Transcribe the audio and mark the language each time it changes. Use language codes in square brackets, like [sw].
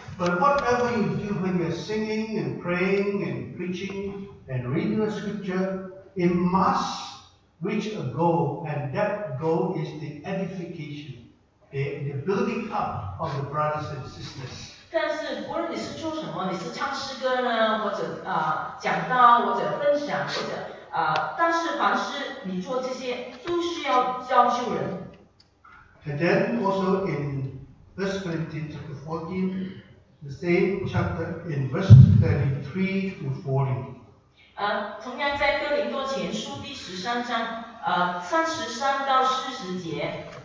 [en] But whatever you do when you're singing and praying and preaching and reading the scripture, it must reach a goal, and that goal is the edification, the building up of the brothers and sisters. [zh] 但是无论你是做什么，你是唱诗歌呢，或者讲道，或者分享，或者但是凡是你做这些，都是要造就人。 [en] And then also in verse 13, chapter 14, the same chapter in verse 33 to 40. [zh] 同样在哥林多前书第十三章，33到四十节。